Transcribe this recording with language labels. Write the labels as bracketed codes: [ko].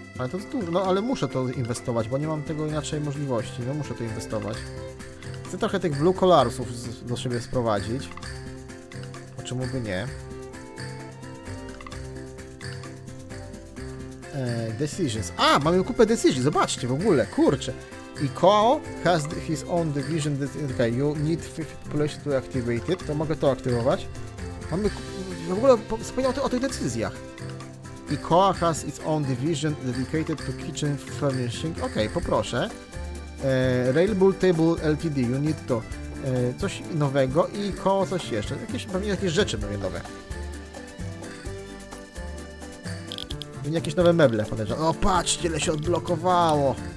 [pl] Ale to jest dużo, no ale muszę to inwestować, bo nie mam tego inaczej możliwości, no muszę to inwestować. Chcę trochę tych blue collarsów do siebie sprowadzić. Czemu by nie? Decisions. A, mamy kupę decisions, zobaczcie w ogóle, kurczę. [en] I Kao has his own division. Okay, you need 50 population to activate it. [pl] To mogę to aktywować. Mamy w ogóle wspomniał o tych decyzjach. [en] I Koa has its own division dedicated to kitchen furnishing. Okej, okay, [pl] poproszę. [en] Railbull Table LTD, you need to. [pl] Coś nowego i Koa coś jeszcze. Jakieś, pewnie jakieś rzeczy pewnie nowe. Pewnie jakieś nowe meble podejrzewam. O, patrzcie, ile się odblokowało.